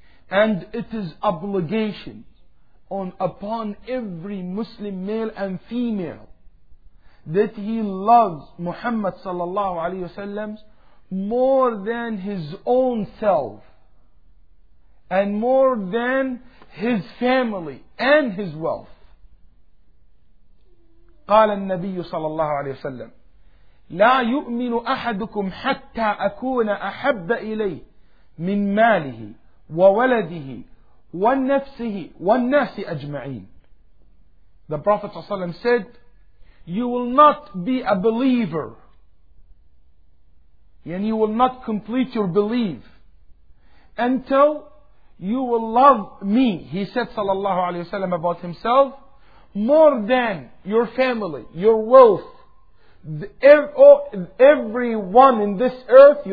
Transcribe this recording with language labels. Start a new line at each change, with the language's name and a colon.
English: And it is obligation upon every Muslim male and female that he loves Muhammad sallallahu alayhi wa sallam more than his own self and more than his family and his wealth.
Arabic: قال النبي صلى الله عليه وسلم لا يؤمن أحدكم حتى أكون أحب إليه من ماله وولده ونفسه والناس أجمعين.
English: The Prophet صلى الله عليه وسلم said, you will not be a believer, and you will not complete your belief until you will love me, he said صلى الله عليه وسلم about himself, more than your family, your wealth, everyone in this earth.